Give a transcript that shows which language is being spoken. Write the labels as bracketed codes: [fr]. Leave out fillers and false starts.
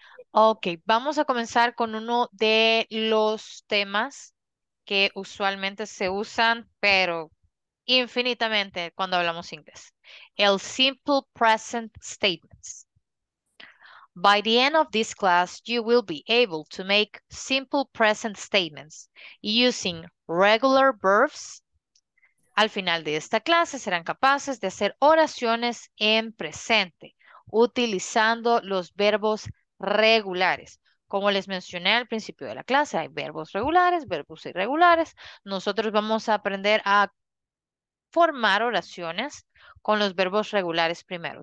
[es] Ok, vamos a comenzar con uno de los temas que usualmente se usan, pero infinitamente cuando hablamos inglés. [en] El Simple Present Statements. By the end of this class, you will be able to make simple present statements using regular verbs. [es] Al final de esta clase, serán capaces de hacer oraciones en presente utilizando los verbos regulares. Como les mencioné al principio de la clase, hay verbos regulares, verbos irregulares. Nosotros vamos a aprender a formar oraciones con los verbos regulares primero.